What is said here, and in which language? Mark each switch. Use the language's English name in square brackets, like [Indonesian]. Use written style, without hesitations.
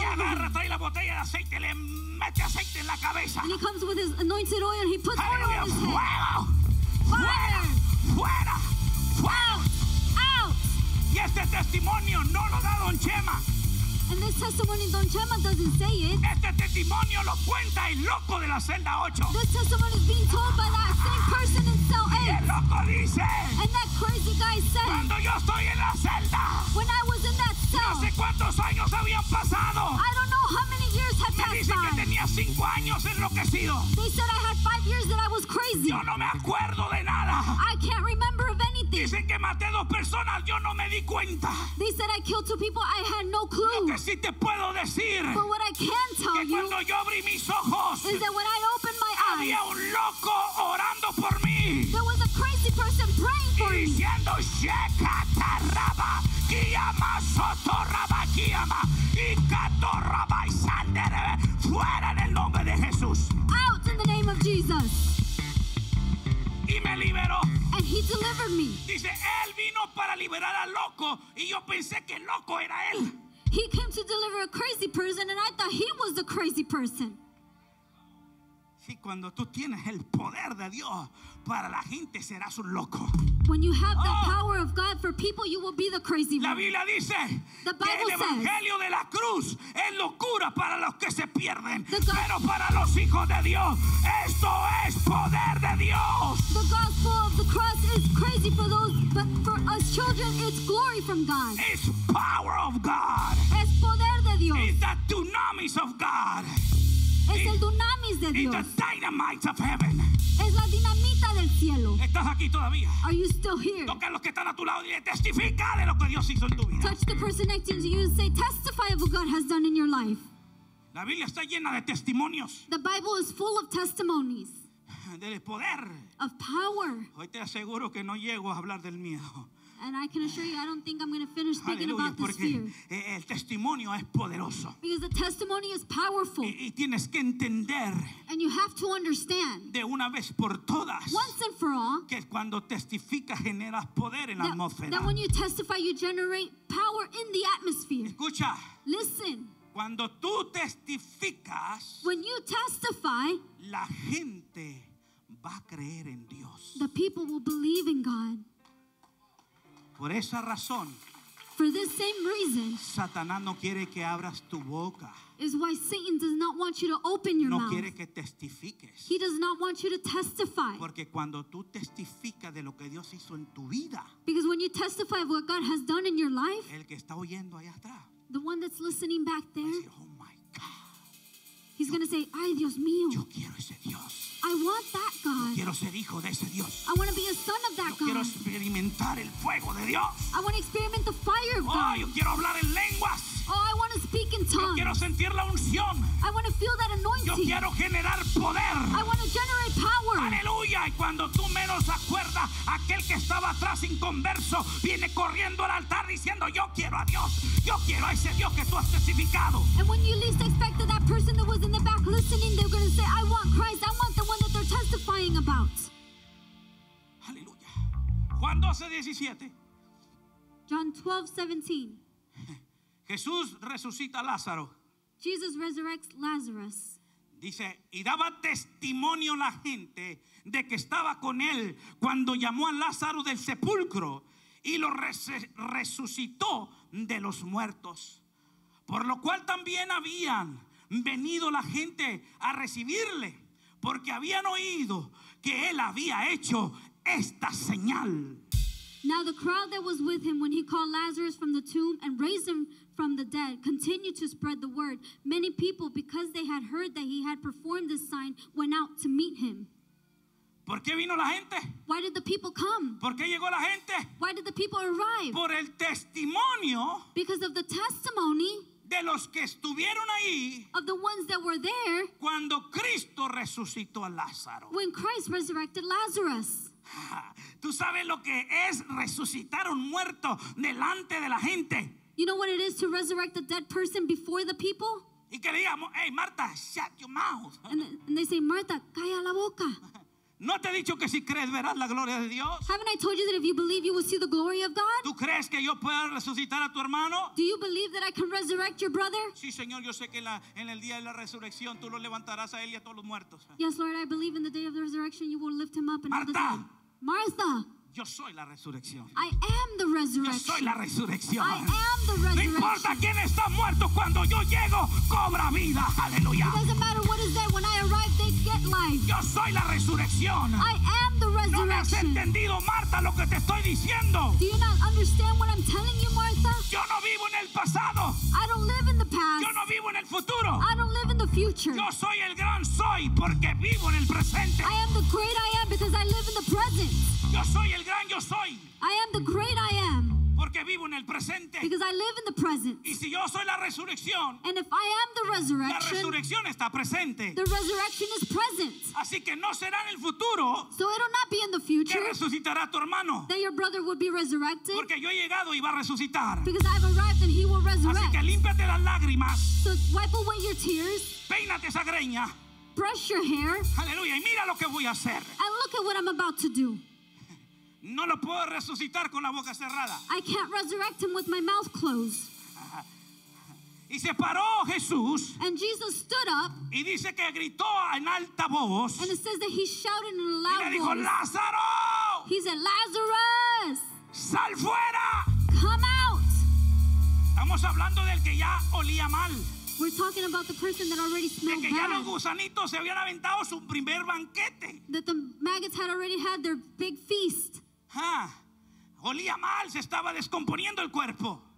[Spanish] y agarra, trae la botella de aceite, le mete aceite en la cabeza. [English] And he comes with his anointed oil and he puts [Spanish] Aleluya. [English] Oil on his head. [Spanish] ¡Fuera! [English] Fire. [Spanish] ¡Fuera! ¡Fuera! [English] Out. Out. [Spanish] Y este testimonio no lo da Don Chema. [English] And this testimony, Don Chema doesn't say it. [Spanish] Este testimonio lo cuenta el loco de la celda 8. [English] This testimony is being told by that same person in cell 8. [Spanish] Y el loco dice, [English] and that crazy guy said, [Spanish] cuando yo estoy en la celda, [English] when I was in that cell, [Spanish] no sé cuántos años habían pasado, [English] I don't know how many years had passed [Spanish] by. Me dicen que tenía 5 años enloquecido. [English] They said I had 5 years that I was crazy. [Spanish] Yo no me acuerdo de nada. [English] I can't remember of anything. [Spanish] Dicen que maté 2 personas, yo no me di cuenta. [English] They said I killed 2 people, I had no clue. [Spanish] Lo que sí te puedo decir, [English] but what I can tell [Spanish] que cuando [English] you [Spanish] yo abrí mis ojos, [English] is that when I opened my eyes, [Spanish] había un loco orando por mí, [English] there was a crazy person praying for [Spanish] y diciendo, [English] me. Shekata raba, kiyama, soto raba, kiyama, y kato raba, y sandere, [Spanish] fuera en el nombre de Jesús. [English] Out in the name of Jesus. [Spanish] Y me liberó. [English] And he delivered me. [Spanish] Dice, él vino para liberar al loco y yo pensé que el loco era él. [English] He came to deliver a crazy person and I thought he was the crazy person. [Spanish] Sí, cuando tú tienes el poder de Dios para la gente serás un loco. [English] When you have the power of God for people you will be the crazy one. [Spanish] La Biblia dice, [English] the Bible [Spanish] que el evangelio [English] says, [Spanish] de la cruz es locura para los que se pierden, pero para los hijos de Dios esto es poder de Dios. [English] The gospel of the cross is crazy for those, but for us children it's glory from God. It's power of God. [Spanish] Es poder de Dios. [English] It's the dunamis of God. [Spanish] Es el dunamis de Dios. [English] It's the dynamite of heaven. [Spanish] Es la dinamita del cielo. ¿Estás aquí todavía? [English] Are you still here? [Spanish] Toca a los que están a tu lado y le testifica de lo que Dios hizo en tu vida. [English] Touch the person next to you and say, testify of what God has done in your life. [Spanish] La Biblia está llena de testimonios. [English] The Bible is full of testimonies. [Spanish] Del poder. [English] Of power. [Spanish] Hoy te aseguro que no llego a hablar del miedo. [English] And I can assure you, I don't think I'm going to finish thinking [Spanish] Aleluya, [English] about this [Spanish] porque [English] fear. [Spanish] El testimonio es poderoso. [English] Because the testimony is powerful. [Spanish] Y tienes que entender. [English] And you have to understand. [Spanish] De una vez por todas. [English] Once and for all. [Spanish] Que cuando testifica generas poder en [English] that, [Spanish] la atmósfera. [English] That when you testify, you generate power in the atmosphere. [Spanish] Escucha. [English] Listen. [Spanish] Cuando tú testificas. [English] When you testify. [Spanish] La gente va a creer en Dios. [English] The people will believe in God. [Spanish] Por esa razón, [English] for this same reason, [Spanish] Satanás no quiere que abras tu boca. [English] Is why Satan does not want you to open your [Spanish] no [English] mouth. [Spanish] No quiere que testifiques. [English] He does not want you to testify. [Spanish] Porque cuando tú testificas de lo que Dios hizo en tu vida, [English] because when you testify of what God has done in your life, [Spanish] el que está oyendo allá atrás, [English] the one that's listening back there, [Spanish] va a decir, [English] oh my God, he's going to say, [Spanish] ay Dios mío, yo quiero ese Dios. [English] I want that God. [Spanish] Yo quiero ser hijo de ese Dios. [English] I want to be a son of that [Spanish] yo Quiero experimentar el fuego de Dios. [English] I want to experiment the fire of God. [Spanish] Oh, yo quiero hablar en lenguas. [English] Oh, I want to speak in tongues. [Spanish] Yo quiero sentir la unción. [English] I want to feel that anointing. [Spanish] Yo quiero generar poder. [English] I want to generate power. [Spanish] Aleluya. Y cuando tú menos acuerdas, aquel que estaba atrás inconverso viene corriendo al altar diciendo, yo quiero a Dios. Yo quiero a ese Dios que tú has testificado. [English] And when you least expected that person that was in the back listening, they're going to say, I want Christ. I want the one that they're testifying about. [Spanish] Aleluya. Juan 12, 17. [English] John 12, 17. [Spanish] Jesús resucita a Lázaro. [English] Jesus resurrects Lazarus. [Spanish] Dice, y daba testimonio la gente de que estaba con él cuando llamó a Lázaro del sepulcro y lo resucitó de los muertos. Por lo cual también habían venido la gente a recibirle porque habían oído que él había hecho esta señal. [English] Now the crowd that was with him when he called Lazarus from the tomb and raised him from the dead continued to spread the word. Many people, because they had heard that he had performed this sign, went out to meet him. [Spanish] ¿Por qué vino la gente? [English] Why did the people come? [Spanish] ¿Por qué llegó la gente? [English] Why did the people arrive? [Spanish] Por el testimonio. [English] Because of the testimony. [Spanish] De los que estuvieron ahí. [English] Of the ones that were there. [Spanish] Cuando Cristo resucitó a Lázaro. [English] When Christ resurrected Lazarus. [Spanish] ¿Tú sabes lo que es resucitar un muerto delante de la gente? [English] You know what it is to resurrect a dead person before the people? [Spanish] Y que digamos, hey, Marta, [English] shut your mouth. And they say, Marta, [Spanish] calla la boca. ¿No te he dicho que si crees verás la gloria de Dios? [English] Haven't I told you that if you believe you will see the glory of God? [Spanish] ¿Tú crees que yo pueda resucitar a tu hermano? [English] Do you believe that I can resurrect your brother? [Spanish] Sí, Señor, yo sé que en el día de la resurrección tú lo levantarás a él y a todos los muertos. [English] Yes, Lord, I believe in the day of the resurrection you will lift him up. [Spanish] Marta. [English] Martha. [Spanish] Yo soy la resurrección. [English] I am the resurrection. [Spanish] Yo soy la resurrección. [English] I am the resurrection. [Spanish] No importa quién está muerto, cuando yo llego, cobra vida. Aleluya. [English] It doesn't matter what is dead. When I arrive, they get life. [Spanish] Yo soy la resurrección. [English] I am the resurrection. [Spanish] No me has entendido, Marta, lo que te estoy diciendo. [English] Do you not understand what I'm telling you, Martha? [Spanish] Yo no vivo en el pasado. [English] I don't live in the past. [Spanish] Yo no vivo en el futuro. [English] I don't live in the future. [Spanish] Yo soy el gran soy porque vivo en el presente. [English] I am the great I am because I live in the present. [Spanish] Yo soy el gran yo soy. [English] I am the great I am. [Spanish] Porque vivo en el presente. [English] Because I live in the present. [Spanish] Y si yo soy la resurrección. [English] And if I am the resurrection. [Spanish] La resurrección está presente. [English] The resurrection is present. [Spanish] Así que no será en el futuro. [English] So it will not be in the future. [Spanish] Que resucitará tu hermano. [English] That your brother would be resurrected. [Spanish] Porque yo he llegado y va a resucitar. [English] Because I have arrived and he will resurrect. [Spanish] Así que límpiate las lágrimas. [English] So wipe away your tears. [Spanish] Peínate esa greña. [English] Brush your hair. [Spanish] Aleluya, y mira lo que voy a hacer. [English] And look at what I'm about to do. [Spanish] No lo puedo resucitar con la boca cerrada. [English] I can't resurrect him with my mouth closed. [Spanish] Y se paró Jesús. [English] And Jesus stood up. [Spanish] Y dice que gritó en alta voz. [English] And it says that he shouted in a loud voice. [Spanish] Y le dijo, Lázaro. [English] He said, Lazarus. [Spanish] Sal fuera. [English] Come out. [Spanish] Estamos hablando del que ya olía mal. [English] We're talking about the person that already smelled bad. [Spanish] Ya los gusanitos se habían aventado su primer banquete. [English] That the maggots had already had their big feast. [Spanish] Ah, olía mal, se estaba descomponiendo el cuerpo.